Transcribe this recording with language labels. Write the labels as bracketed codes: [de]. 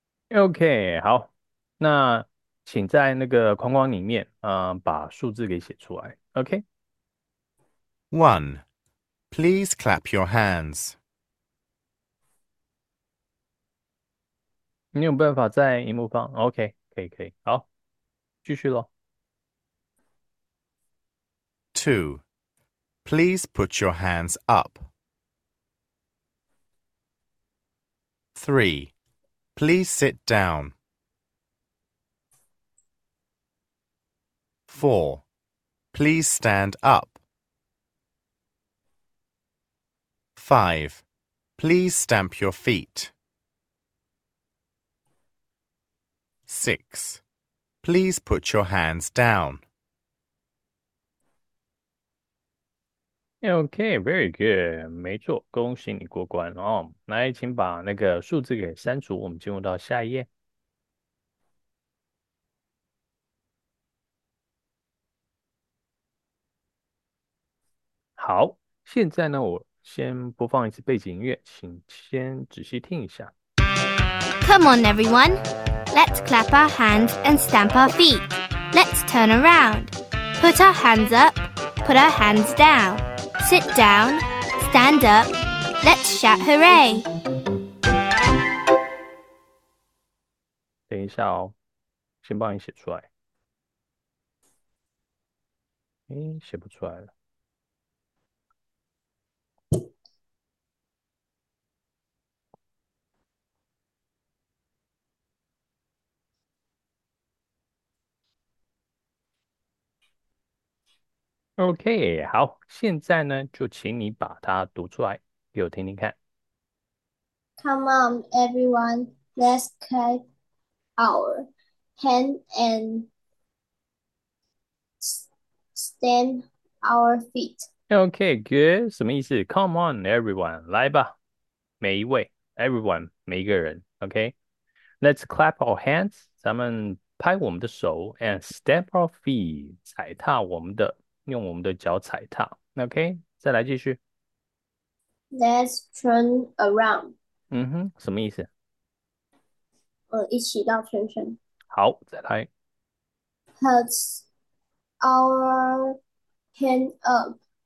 [zh] OK，好，那请在那个框框里面，把数字给写出来。 [en] OK。 One, please clap your hands. [zh] 你有办法在荧幕放？OK，可以，可以，好，继续咯。 [en] Two, please put your hands up. Three, please sit down. Four, please stand up. Five, please stamp your feet. Six, please put your hands down. OK, very good. [zh] 没错，恭喜你过关哦。来，请把那个数字给删除，我们进入到下一页。好，现在呢，我先播放一次背景音乐，请先仔细听一下。 [en] Come on, everyone. Let's clap our hands and stamp our feet. Let's turn around. Put our hands up. Put our hands down. Sit down, stand up, let's shout hooray! [zh] 等一下哦，先帮你写出来。哎，写不出来了。 OK，好，现在呢，就请你把它读出来，给我听听看。 [en] Come on, everyone. Let's clap our hands and stamp our feet. [zh] OK，good，什么意思？ [en] Come on, everyone， [zh] 来吧，每一位，everyone，每一个人。 [en] OK，let's clap our hands， [zh] 咱们拍我们的手， [en] and stamp our feet， [zh] 踩踏我们的。用我们的脚踩踏，OK，再来继续。 [en] Let's turn around. [zh] 嗯哼，什么意思？一起绕圈圈。好，再来。 [en] Put our hand up.